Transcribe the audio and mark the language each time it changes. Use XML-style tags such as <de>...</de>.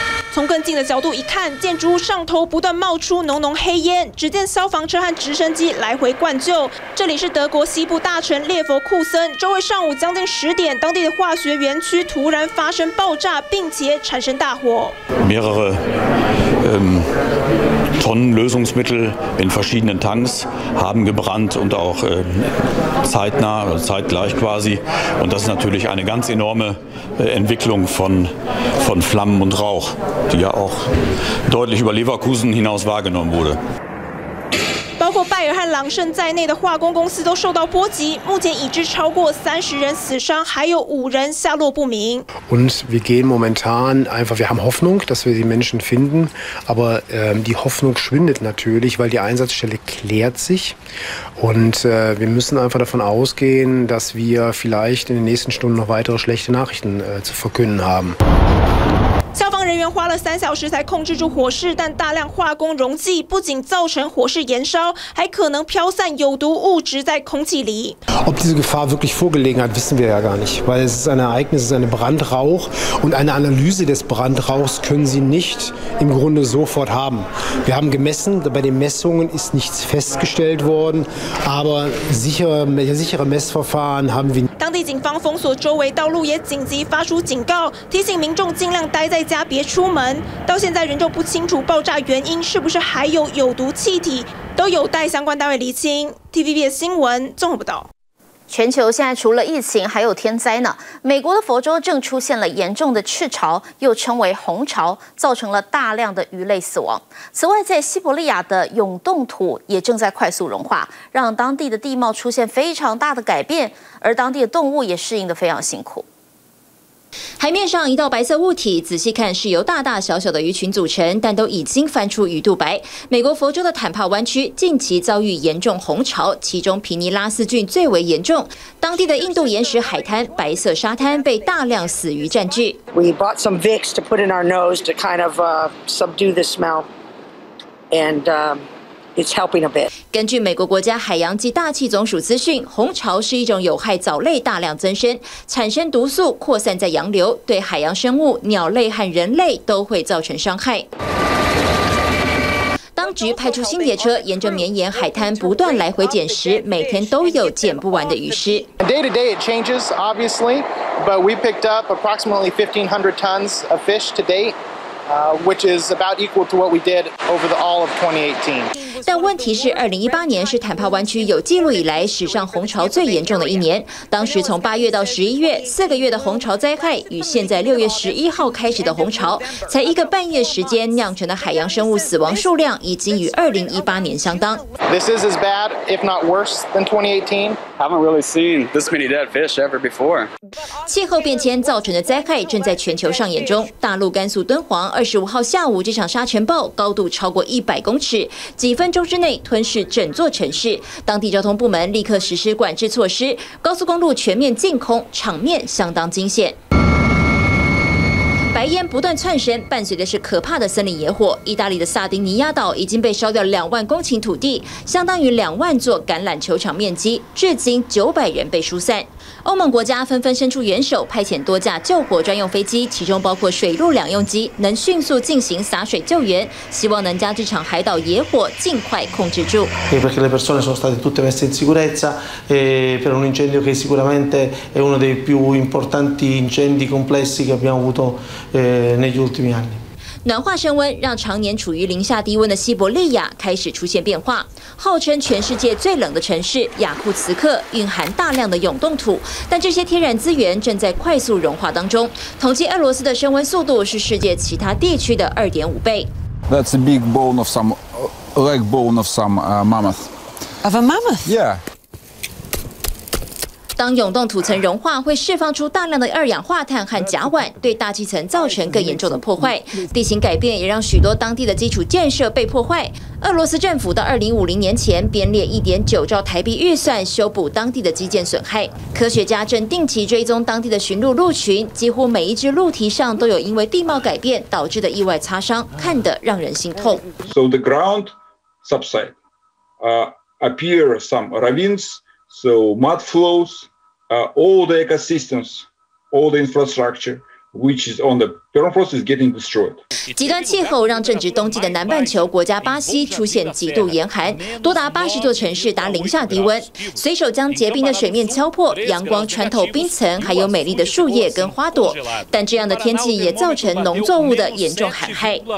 <zh>从更近的角度一看，建筑物上头不断冒出浓浓黑烟，只见消防车和直升机来回灌救。这里是德国西部大城列佛库森，周围上午将近10点，当地的化学园区突然发生爆炸，并且产生大火。</zh> <de>Mehrere Tonnen Lösungsmittel in verschiedenen Tanks haben gebrannt und auch zeitnah oder zeitgleich quasi. Und das ist natürlich eine ganz enorme Entwicklung von Flammen und Rauch. die ja auch deutlich über Leverkusen hinaus wahrgenommen wurde.</de> <zh>包括拜耳和朗盛在内的化工公司都受到波及，目前已知超过30人死伤，还有5人下落不明。</zh> <de>Und wir gehen momentan einfach, wir haben Hoffnung, dass wir die Menschen finden, aber die Hoffnung schwindet natürlich, weil die Einsatzstelle klärt sich und wir müssen einfach davon ausgehen, dass wir vielleicht in den nächsten Stunden noch weitere schlechte Nachrichten zu verkünden haben.</de> <zh>消防人员花了3小时才控制住火势，但大量化工溶剂不仅造成火势延烧，还可能飘散有毒物质在空气里。</zh> <de>Ob diese Gefahr wirklich vorgelegen hat, wissen wir ja gar nicht, weil es ist ein Ereignis, es ist ein Brandrauch und eine Analyse des Brandrauchs können Sie nicht im Grunde sofort haben. Wir haben gemessen, bei den Messungen ist nichts festgestellt worden, aber sichere Messverfahren haben wir.</de> <zh>当地警方封锁周围道路，也紧急发出警告，提醒民众尽量待在家，别出门。到现在仍旧不清楚爆炸原因是不是还有有毒气体，都有待相关单位厘清。 TVBS 新闻综合报道。全球现在除了疫情还有天灾呢，美国的佛州正出现了严重的赤潮，又称为红潮，造成了大量的鱼类死亡。此外，在西伯利亚的永冻土也正在快速融化，让当地的地貌出现非常大的改变，而当地的动物也适应得非常辛苦。海面上一道白色物体，仔细看是由大大小小的鱼群组成，但都已经翻出鱼肚白。美国佛州的坦帕湾区近期遭遇严重红潮，其中皮尼拉斯郡最为严重。当地的印度岩石海滩白色沙滩被大量死鱼占据。</zh> <en>We bought some Vicks to put in our nose to kind of subdue the smell, and it's helping a bit.</en> <zh>根据美国国家海洋及大气总署资讯，红潮是一种有害藻类大量增生，产生毒素，扩散在洋流，对海洋生物、鸟类和人类都会造成伤害。当局派出清洁车，沿着绵延海滩不断来回捡拾，每天都有捡不完的鱼尸。</zh> <en>Day to day it changes, obviously, but we picked up approximately 1,500 tons of fish to date. Which is about equal to what we did over the all of 2018.</en> <zh>但问题是2018年是坦帕湾区有记录以来史上红潮最严重的一年。当时从8月到11月四个月的红潮灾害，与现在6月11号开始的红潮，才一个半月时间酿成的海洋生物死亡数量已经与2018年相当。</zh> <en>This is as bad, if not worse, than 2018. I haven't really seen this many dead fish ever before.</en> <zh>气候变迁造成的灾害正在全球上演中。大陆甘肃敦煌25号下午，这场沙尘暴高度超过100公尺，几分钟之内吞噬整座城市。当地交通部门立刻实施管制措施，高速公路全面净空，场面相当惊险。白烟不断窜升，伴随的是可怕的森林野火。意大利的萨丁尼亚岛已经被烧掉2万公顷土地，相当于2万座橄榄球场面积，至今900人被疏散。欧盟国家纷纷伸出援手，派遣多架救火专用飞机，其中包括水陆两用机，能迅速进行洒水救援，希望能将这场海岛野火尽快控制住。</zh> <it>Perché le persone sono state tutte messe in sicurezza per un incendio che sicuramente è uno dei più importanti incendi complessi che abbiamo avuto negli ultimi anni。</it> <zh>暖化升温让常年处于零下低温的西伯利亚开始出现变化，号称全世界最冷的城市雅库茨克蕴含大量的永冻土，但这些天然资源正在快速融化当中。统计俄罗斯的升温速度是世界其他地区的2.5倍。</zh> <en>That's a big bone of some leg bone of some mammoth of a mammoth yeah。</en> <zh>当永冻土层融化，会释放出大量的二氧化碳和甲烷，对大气层造成更严重的破坏。地形改变也让许多当地的基础建设被破坏。俄罗斯政府到2050年前编列1.9兆台币预算修补当地的基建损害。科学家正定期追踪当地的驯鹿鹿群，几乎每一只鹿蹄上都有因为地貌改变导致的意外擦伤，看得让人心痛。</zh> <en>So the ground subside, appear some ravines. So mud flows, all the ecosystems, all the infrastructure, which is on the permafrost is getting destroyed.</en> <zh>极端气候让正值冬季的南半球国家巴西出现极度严寒，多达80座城市达零下低温。随手将结冰的水面敲破，阳光穿透冰层，还有美丽的树叶跟花朵。但这样的天气也造成农作物的严重旱害。</zh>